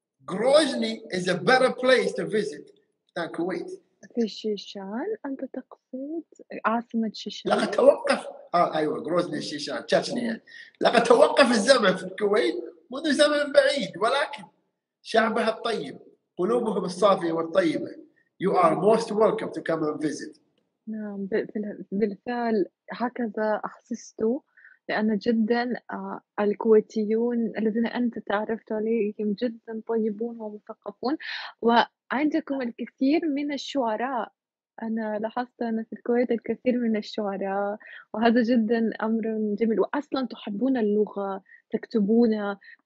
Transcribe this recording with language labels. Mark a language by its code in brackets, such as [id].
[en] Grozny is a better place to visit than Kuwait. [ar] في شيشان أنت تقصد، عاصمة لقد شيشان؟ توقف أيوة غروزني شيشان تشيشنيا، لقد توقف الزمن في الكويت منذ زمن بعيد، ولكن شعبها الطيب، قلوبهم الصافية والطيبة. [en] You are most welcome to come and visit. [ar] نعم بالفعل هكذا أحسست، لأن جدا الكويتيون الذين أنت تعرفت عليهم جدا طيبون ومثقفون، وعندكم الكثير من الشعراء، أنا لاحظت أن في الكويت الكثير من الشعراء، وهذا جدا أمر جميل، وأصلا تحبون اللغة، تكتبون